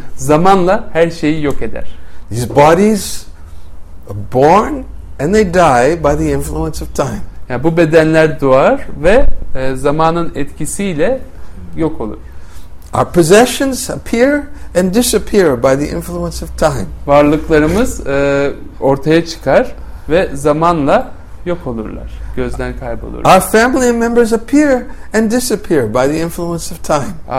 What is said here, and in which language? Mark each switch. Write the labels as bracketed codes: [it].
[tr] Zamanla her şeyi yok eder. [en] These bodies are born and they die by the influence of time. [tr] Yani bu bedenler doğar ve zamanın etkisiyle yok olur. [en] Our possessions appear and disappear by the influence of time. [tr] Varlıklarımız ortaya çıkar ve zamanla yok olurlar, gözden kaybolurlar. [en] Our family members appear and disappear by the influence of time.